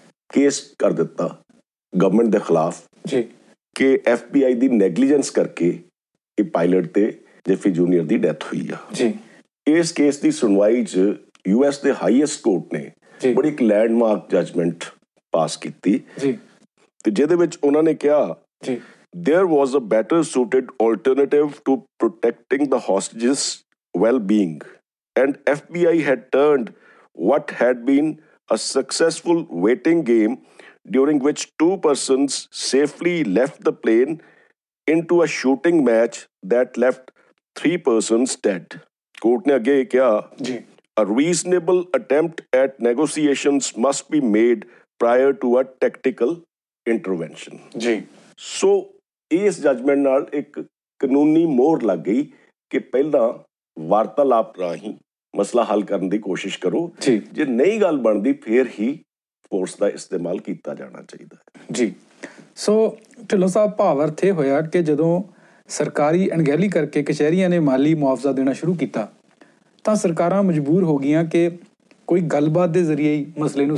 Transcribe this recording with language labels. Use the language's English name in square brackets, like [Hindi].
[Punjabi] Case ਕਰ ਦਿੱਤਾ government ਦੇ ਖਿਲਾਫ ਜੀ ਕਿ FBI ਦੀ ਨੈਗਲੀਜੈਂਸ ਕਰਕੇ ਇਹ ਪਾਇਲਟ ਤੇ ਜਿਫੀ ਜੂਨੀਅਰ ਦੀ ਡੈਥ ਹੋਈ ਆ ਜੀ। ਇਸ ਕੇਸ ਦੀ ਸੁਣਵਾਈ 'ਚ US ਦੇ ਹਾਈਐਸਟ ਕੋਰਟ ਨੇ ਬੜੀ ਇੱਕ ਲੈਂਡਮਾਰਕ ਜਜਮੈਂਟ ਪਾਸ ਕੀਤੀ ਜੀ, ਤੇ ਜਿਹਦੇ ਵਿੱਚ ਉਹਨਾਂ ਨੇ ਕਿਹਾ ਜੀ [English] there was a better suited alternative to protecting the hostages well-being and FBI had turned what had been a successful waiting game during which two persons safely left the plane into a shooting match that left three persons dead. [Punjabi] Court ne age kya ji [English] a reasonable attempt at negotiations must be made prior to a tactical intervention [Punjabi] ji. So ਇਸ judgement ਨਾਲ ਇੱਕ ਕਾਨੂੰਨੀ ਮੋਹਰ ਲੱਗ ਗਈ ਕਿ ਪਹਿਲਾਂ ਵਾਰਤਾਲਾਪ ਰਾਹੀਂ ਮਸਲਾ ਹੱਲ ਕਰਨ ਦੀ ਕੋਸ਼ਿਸ਼ ਕਰੋ ਜੀ, ਜੇ ਨਹੀਂ ਗੱਲ ਬਣਦੀ ਫਿਰ ਹੀ ਫੋਰਸ ਦਾ ਇਸਤੇਮਾਲ ਕੀਤਾ ਜਾਣਾ ਚਾਹੀਦਾ ਜੀ। ਸੋ ਢਿੱਲੋਂ ਸਾਹਿਬ, ਭਾਵ ਅਰਥ ਇਹ ਹੋਇਆ ਕਿ ਜਦੋਂ ਸਰਕਾਰੀ ਅਣਗਹਿਲੀ ਕਰਕੇ ਕਚਹਿਰੀਆਂ ਨੇ ਮਾਲੀ ਮੁਆਵਜ਼ਾ ਦੇਣਾ ਸ਼ੁਰੂ ਕੀਤਾ ਤਾਂ ਸਰਕਾਰਾਂ ਮਜਬੂਰ ਹੋ ਗਈਆਂ ਕਿ ਕੋਈ ਗੱਲਬਾਤ ਦੇ ਜ਼ਰੀਏ ਹੀ ਮਸਲੇ ਨੂੰ